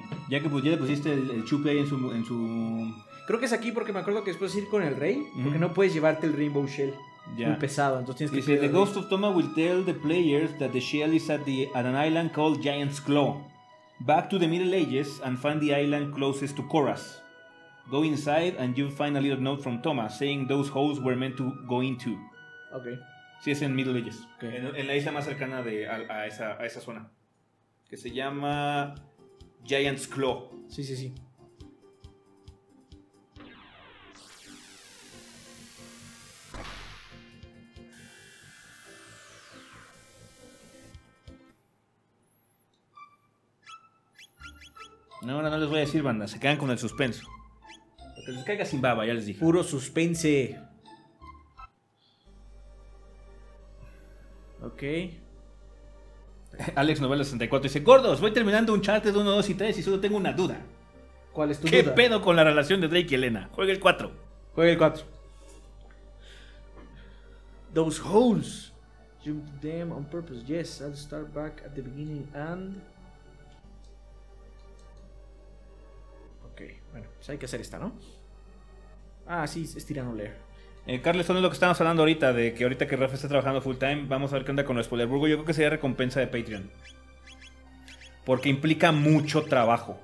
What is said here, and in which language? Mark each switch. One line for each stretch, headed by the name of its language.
Spanish: Ya que pues, ya le pusiste el chupe ahí en su... Creo que es aquí porque me acuerdo que después ir con el rey. Uh-huh. Porque no puedes llevarte el Rainbow Shell. Yeah. Muy pesado, entonces tienes que...
English: Dice, the ghost of Toma will tell the players that the shell is at an island called Giant's Claw. Back to the Middle Ages and find the island closest to Korras. Go inside and you'll find a little note from Toma saying those holes were meant to go into. Ok.
Spanish: Sí, es en Middle Ages. Okay. En la isla más cercana de, a esa zona. Que se llama Giant's Claw. Sí, sí, sí. No, ahora no les voy a decir, banda. Se quedan con el suspenso. Para que les caiga sin baba, ya les dije. Puro suspense. Ok. Alex Novela 64 dice, gordos, voy terminando Uncharted 1, 2 y 3 y solo tengo una duda. ¿Cuál es tu ¿Qué duda? ¿Qué pedo con la relación de Drake y Elena? Juega el 4. Juega el 4.
English: Those holes. Jump them on purpose. Yes, I'll start back at the beginning and...
Spanish: Ok, bueno, pues hay que hacer esta, ¿no? Ah, sí, es tirano leer. Carles, son lo que estábamos hablando ahorita, de que ahorita que Rafa está trabajando full time, vamos a ver qué onda con lo de Spoilerburgo. Yo creo que sería recompensa de Patreon. Porque implica mucho trabajo.